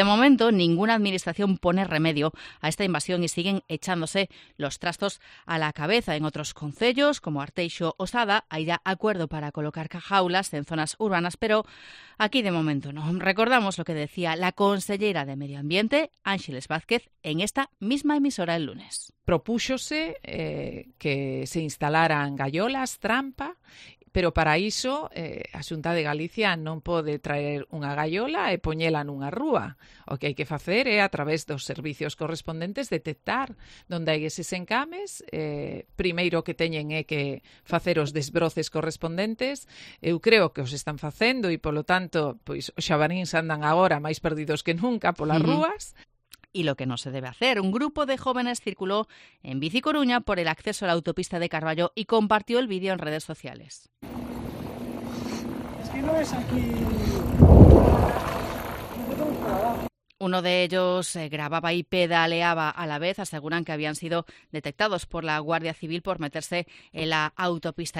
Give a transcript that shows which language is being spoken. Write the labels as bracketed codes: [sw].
[es] De momento, ninguna administración pone remedio a esta invasión y siguen echándose los trastos a la cabeza. En otros concellos, como Arteixo o Sada, hay ya acuerdo para colocar jaulas en zonas urbanas, pero aquí de momento no. Recordamos lo que decía la consellera de Medio Ambiente, Ánxeles Vázquez, en esta misma emisora el lunes. [gl] Propúxose que se instalaran gaiolas, trampa, pero para iso a Xunta de Galicia non pode traer unha gaiola e poñela nunha rúa. O que hai que facer é, a través dos servicios correspondentes, detectar onde hai eses encames. Primeiro que teñen é que facer os desbroces correspondentes. Eu creo que os están facendo e, polo tanto, pois os xabaríns andan agora máis perdidos que nunca polas rúas. [es] Y lo que no se debe hacer. Un grupo de jóvenes circuló en Bici Coruña por el acceso a la autopista de Carballo y compartió el vídeo en redes sociales. Es que no es aquí. Uno de ellos grababa y pedaleaba a la vez. Aseguran que habían sido detectados por la Guardia Civil por meterse en la autopista.